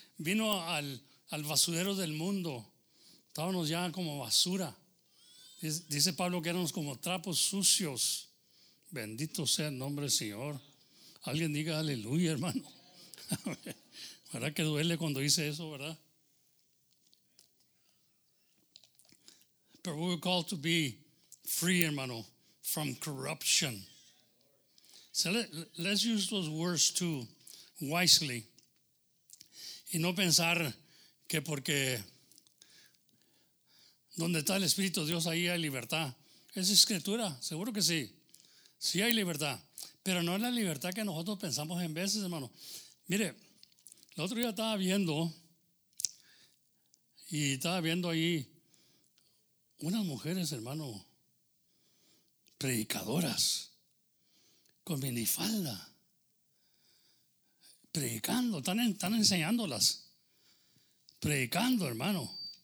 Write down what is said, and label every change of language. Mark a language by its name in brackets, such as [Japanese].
[Spanish] Vino al basurero del mundo. Estábamos ya como basura. Dice Pablo que éramos como trapos sucios. Bendito sea el nombre del Señor. Alguien diga aleluya, hermano. ¿Verdad que duele cuando dice eso, verdad? [English] But we were called to be free, hermano, from corruption. So let's use those words too wisely. [Spanish] Y no pensar que porque donde está el Espíritu de Dios, ahí hay libertad. Es escritura, seguro que sí. Sí hay libertad. Pero no es la libertad que nosotros pensamos en veces, hermano. Mire, el otro día estaba viendo, y estaba viendo ahí unas mujeres, hermano, predicadoras, con minifalda, predicando, están enseñándolas, predicando, hermano.